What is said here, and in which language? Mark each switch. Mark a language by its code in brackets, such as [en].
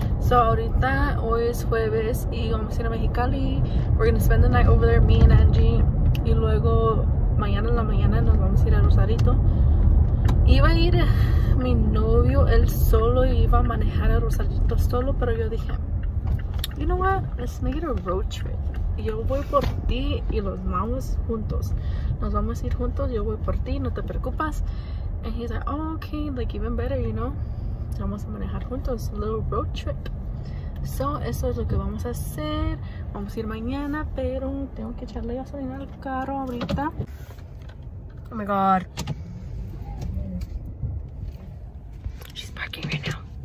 [es] So ahorita, hoy es jueves y vamos a ir a Mexicali. [en] We're gonna spend the night over there, me and Angie. [es] Y luego mañana en la mañana nos vamos a ir a Rosarito. Iba a ir mi novio, él solo, y iba a manejar a Rosarito solo. Pero yo dije, [en] you know what, let's make it a road trip. [es] Yo voy por ti y los vamos juntos. Nos vamos a ir juntos, yo voy por ti, no te preocupes. [en] And he's like, oh, okay, like even better, you know. [es] Vamos a manejar juntos, [en] a little road trip. [es] So, eso es lo que vamos a hacer. Vamos a ir mañana, pero tengo que echarle gasolina al carro ahorita. [en] Oh my God. She's parking right now.